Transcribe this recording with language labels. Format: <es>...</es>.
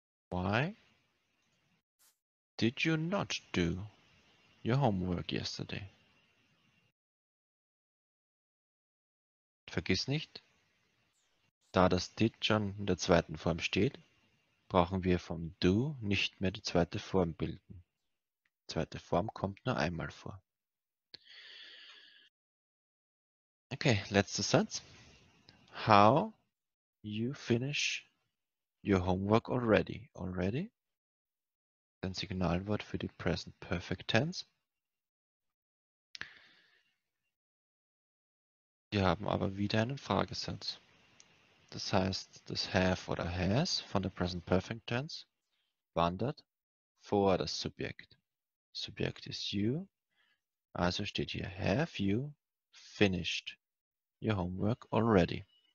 <en>Why did you not do your homework yesterday?</en> <de>Vergiss nicht, da das did schon in der zweiten Form steht, brauchen wir vom do nicht mehr die zweite Form bilden. Die zweite Form kommt nur einmal vor.</de> <en>Okay,</en> <de>letzter Satz.</de> <en>How you finish your homework already? Already?</en> <de>Ein Signalwort für die Present Perfect Tense. Wir haben aber wieder einen Fragesatz. Das heißt, das have oder has von der Present Perfect Tense wandert vor das Subjekt. Subjekt ist you. Also steht hier,</de> <en>have you finished your homework already?</en>